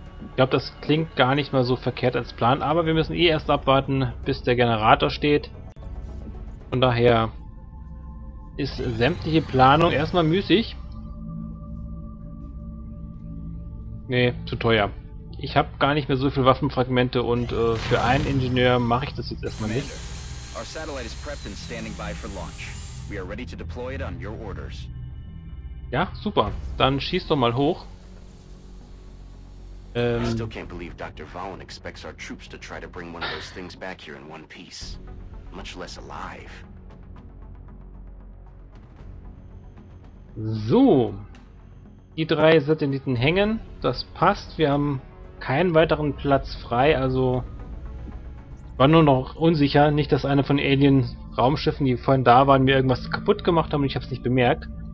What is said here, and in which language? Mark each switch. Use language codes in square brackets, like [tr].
[de] Ich glaube, das klingt gar nicht mal so verkehrt als Plan, aber wir müssen eh erst abwarten, bis der Generator steht. Von daher ist sämtliche Planung erstmal müßig. Nee, zu teuer. Ich habe gar nicht mehr so viele Waffenfragmente und für einen Ingenieur mache ich das jetzt erstmal nicht. [en] Our satellite is prepped and standing by for launch. We are ready to deploy it on your orders. [de] Ja, super. Dann schieß doch mal hoch. [en] I still can't believe Dr. Vaughan expects our troops to try to bring one of those things back here in one piece. Much less alive. [de] So, die 3 Satelliten hängen, das passt, wir haben keinen weiteren Platz frei, also war nur noch unsicher, nicht dass einer von Alien-Raumschiffen, die vorhin da waren, mir irgendwas kaputt gemacht haben und ich habe es nicht bemerkt.